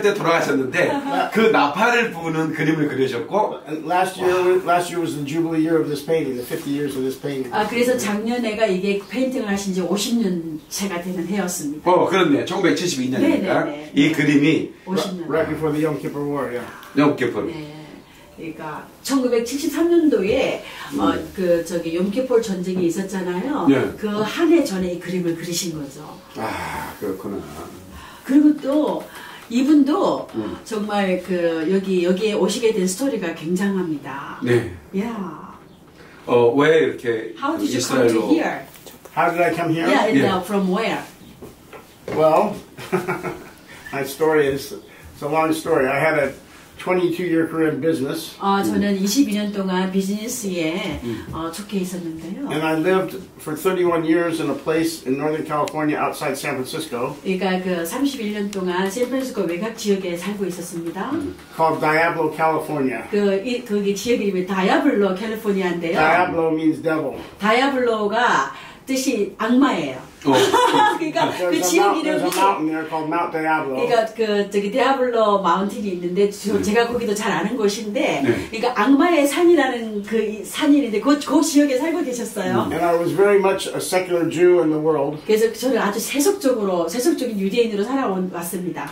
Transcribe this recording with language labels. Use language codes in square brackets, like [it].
[ko] 때 돌아가셨는데 그 나팔을 부는 그림을 그리셨고 [en] last year was the jubilee year of this painting, the 50 years of this painting. [ko] 아 그래서 작년에가 이게 페인팅을 하신지 50년 채가 되는 해였습니다. 어 그렇네요. 1972년이니까 이 그림이 50년 [en] right before the Yom Kippur War, yeah. Yom Kippur. [ko] 그러니까 1973년도에 그 저기 용키폴 전쟁이 있었잖아요. 네. 그 한 해 전에 이 그림을 그리신 거죠. 아 그렇구나. 그리고 또 이분도 정말 그 여기에 오시게 된 스토리가 굉장합니다. 네. 야. 어 왜 이렇게 [en] How did you come to here? How did I come here? Yeah, and yeah. From where? Well, my story is it's a long story. I had a 22-year career in business. [ko] 저는 22년 동안 비즈니스에 속해 있었는데요. [en] And I lived for 31 years in a place in Northern California outside San Francisco. [ko] 그러니까 그 31년 동안 샌프란시스코 외곽 지역에 살고 있었습니다. [en] Called Diablo, California. [ko] 거기 지역 이름이 다이아블로 캘리포니아인데요. [en] Diablo means devil. [ko] 다이아블로가 뜻이 악마예요. 그러니까 그 지역 이름이 그러니까 그 저기 디아블로 마운틴이 있는데 제가 거기도 잘 아는 곳인데 그러니까 악마의 산이라는 그 산인데 그 지역에 살고 계셨어요. [en] And I was very much a secular Jew in the world. [ko] 그래서 저는 아주 세속적인 유대인으로 살아왔습니다.